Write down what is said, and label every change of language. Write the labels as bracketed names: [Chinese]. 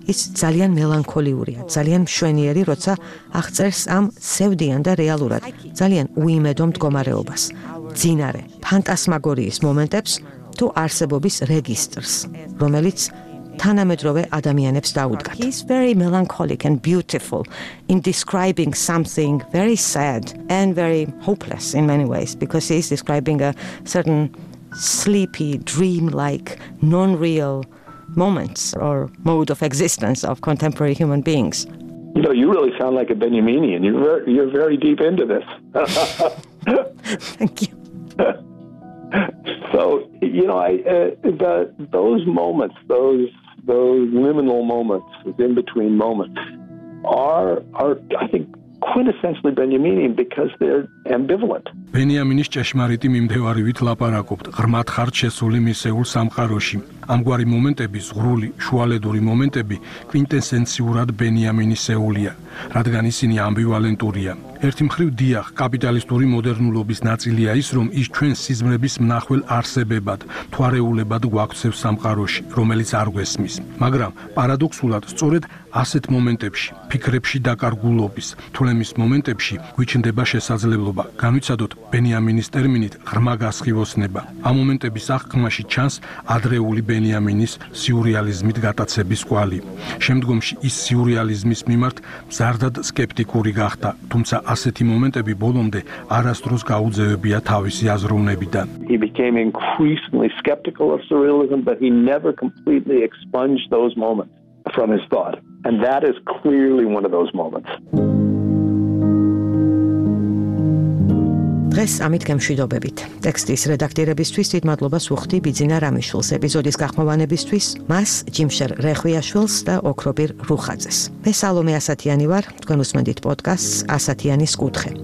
[Georgian] ის ძალიან მელანქოლიურია, ძალიან მშვენიერი, როცა აღწერს ამ სევდიან და რეალურად ძალიან უიმედო მდგომარეობას, ძინარე, ფანტასმაგორიის მომენტებს თუ არსებობის რეგისტრს, რომელიც თანამედროვე ადამიანებს დაუდგათ. [English] He's very melancholic and beautiful in describing something very sad and very hopeless in many ways because he's describing a certain sleepy, dream-like, non-real moments or mode of existence of contemporary human beings. You know, you really sound like a Benjaminian. You're very deep into this. Thank you. So, you know, those moments, those liminal moments, those in-between moments are I think quintessentially Benjaminian because they're ambivalent. [Georgian] ბენიამინის ჭეშმარიტი მიმდევარივით ლაპარაკობთ ღრმად ხარჯ შესული მისეულ სამყაროში. ამგვარი მომენტები, ზღრული, შუალედური მომენტები კვინტესენციურად ბენიამინისეულია, რადგან ისინი ამბივალენტურია. ერთი მხრივ დიახ, კაპიტალისტური მოდერნულობის ნაწილია ის, რომ ის ჩვენ სიზმრების მნახველ არსებებად, თვარეულებად გვაქცევს სამყაროში, რომელიც არ გვესმის. მაგრამ პარადოქსულად სწორედ ასეთ მომენტებში, ფიქრებში დაკარგულობის, თვლემის მომენტებში გვიჩნდება შესაძლებლობა განვიცადოთ ბენიამინის ტერმინით ღრმა გასხივოსნება. ამ მომენტების აღქმაში ჩანს ადრეული ბენიამინის სიურეალიზმით გატაცების კვალი. შემდგომში ის სიურეალიზმის მიმართ მზარდად სკეპტიკური გახდა, თუმცა ასეთი მომენტები ბოლომდე არასდროს გაუძევებია თავისი აზროვნებიდან. [English] He became increasingly skeptical of surrealism, but he never completely expunged those moments from his thought. And that is clearly one of those moments. [Georgian] დღეს ამით გემშვიდობებით. ტექსტის რედაქტირებისთვის დიდ მადლობას ვუხდი ბიძინა რამიშვილს, ეპიზოდის გახმოვანებისთვის მას ჯიმშერ რეხვიაშვილს და ოქრობირ რუხაძეს. მე სალომე ასათიანი ვარ, თქვენ უსმენთ პოდკასტს ასათიანის კუთხე.